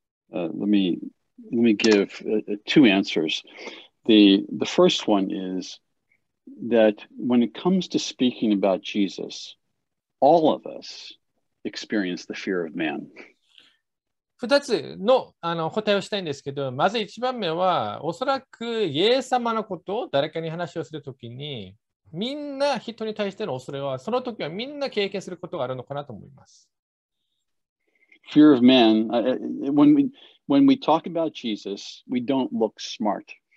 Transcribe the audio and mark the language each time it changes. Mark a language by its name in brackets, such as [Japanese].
[English] Let me give two answers. The first one is that when it comes to speaking about Jesus, all of us experience the fear of man. [Japanese] 2つ の, あの答えをしたいんですけど、まず1番目は、おそらくイエス様のことを誰かに話をするときに、みんな人に対しての恐れは、その時はみんな経験することがあるのかなと思います。 [English] Fear of man, when we talk about Jesus, we don't look smart.